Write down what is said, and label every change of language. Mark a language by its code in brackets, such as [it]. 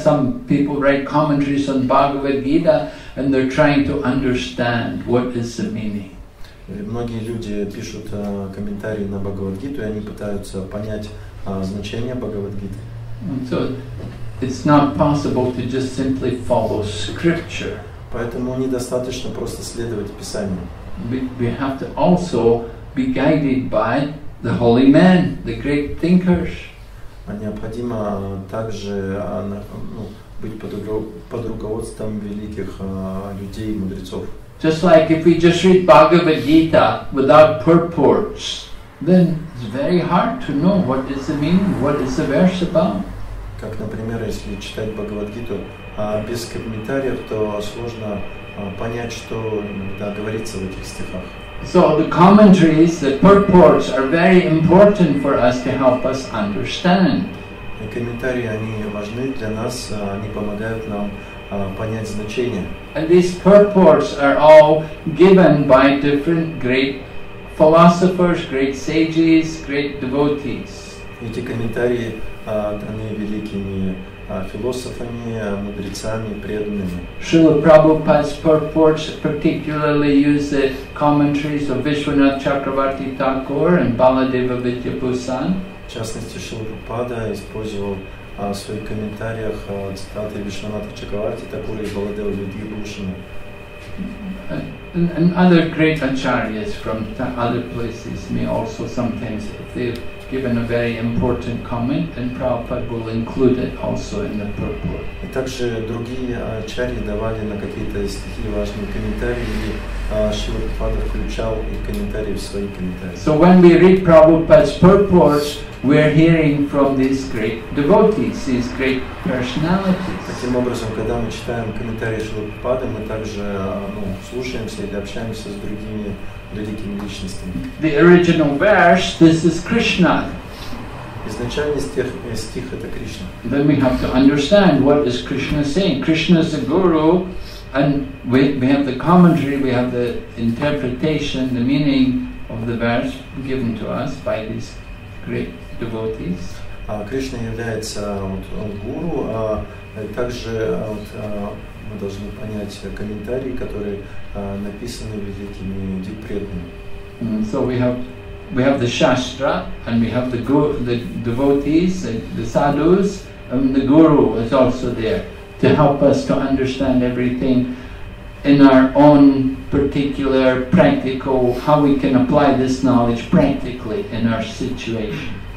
[en] Some people write commentaries on Bhagavad Gita, and they're trying to understand what is the meaning. [ru] Многие люди пишут комментарии на Бхагавад Гиту, и они пытаются понять значение Бхагавад Гиты. [en] So it's not possible to just simply follow scripture. [ru] Поэтому недостаточно просто следовать Писанию. [en] We have to also be guided by the holy men, the great thinkers. [ru] Необходимо также быть под руководством великих людей, мудрецов. [en] Just like if we just read Bhagavad Gita without purports, then it's very hard to know what is the meaning, what is the verse about. [ru] Как, например, если читать Бхагавад-гиту без комментариев, то сложно понять, что говорится в этих стихах. [en] So the commentaries, the purports are very important for us to help us understand. [ru] Комментарии, они важны для нас, они помогают нам понять значение. [en] And these purports are all given by different great philosophers, great sages, great devotees. [ru] Эти комментарии даны великими философами, мудрецами, преданными. [en] Srila Prabhupada's purports particularly use the commentaries of Vishwanath Chakravarti Thakur and Baladeva Vidyabhusan. [ru] В частности, Шрила Прабхупада использовал в своих комментариях цитаты Вишванатха Чакраварти Такура и Баладева Видьябхушана. [en] And other great acharyas from other places may also sometimes, if they've given a very important comment, then Prabhupada will include it also in the purport. [ru] И также другие ачарьи давали на какие-то стихи важные комментарии, и Шрила Прабхупада включал их комментарии в свои комментарии. [en] So when we read Prabhupada's purports, we are hearing from these great devotees, these great personalities. [ru] Таким образом, когда мы читаем комментарии Шрилы Прабхупады, мы также слушаемся или общаемся с другими великими личностями. [en] The original verse, this is Krishna. [ru] Изначальный стих это Кришна. [en] Then we have to understand what is Krishna saying. Krishna is the guru, and we have the commentary, we have the interpretation, the meaning of the verse given to us by these great devotees. [ru] Кришна является гуру, а также мы должны понять комментарии, которые написаны великими преданными. [en] So we have the shastra, and we have the devotees, the sadhus, and the guru is also there to help us to understand everything in our own particular practical, how we can apply this knowledge practically in our situation.